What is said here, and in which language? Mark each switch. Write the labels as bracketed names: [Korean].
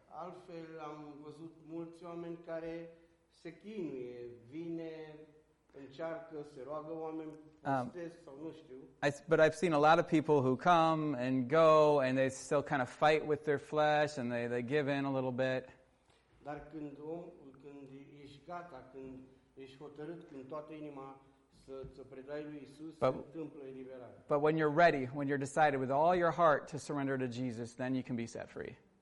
[Romanian] Altfel am văzut mulți oameni care se chinuie, vine, încearcă, se roagă oameni, postez sau nu știu. [English] But I've seen a lot of people who come and go and they still kind of fight with their flesh and they give in a little bit. [Romanian] Dar când ești gata, când ești hotărât, când toată inima să predai lui Iisus, se întâmplă eliberare. [English] But when you're ready, when you're decided with all your heart to surrender to Jesus, then you can be set free.